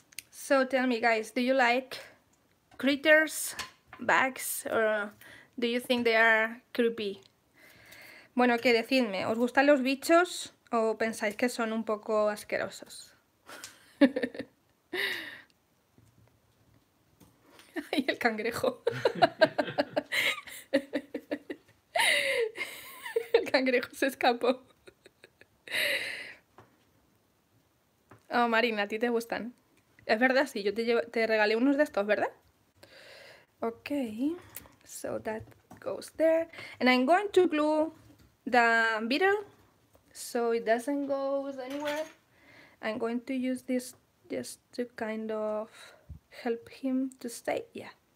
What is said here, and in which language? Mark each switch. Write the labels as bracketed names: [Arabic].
[English] So tell me, guys, do you like critters, bags, or do you think they are creepy? [Spanish] Bueno, ¿qué decidme? ¿Os gustan los bichos o pensáis que son un poco asquerosos? ¡Ay, el cangrejo! El cangrejo se escapó. Oh, Marina, ¿a ti te gustan? Es verdad, sí, yo te regalé unos de estos, ¿verdad? [English] Ok, so that goes there. And I'm going to glue the beetle, so it doesn't go anywhere. I'm going to use this just to kind of help him to stay. Yeah.